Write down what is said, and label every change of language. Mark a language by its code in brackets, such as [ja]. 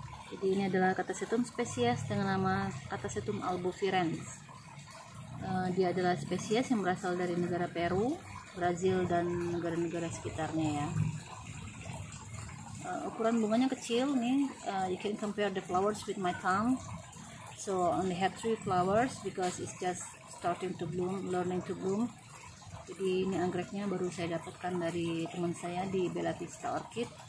[id] Jadi ini adalah Catasetum species dengan nama Catasetum albovirens. Dia adalah spesies yang berasal dari negara Peru, Brazil, dan negara-negara sekitarnya ya. Ukuran bunganya kecil nih. [en] You can compare the flowers with my thumb. So only have 3 flowers because it's just starting to bloom, learning to bloom. [id] Jadi ini anggreknya baru saya dapatkan dari teman saya di Bella Vista Orchid.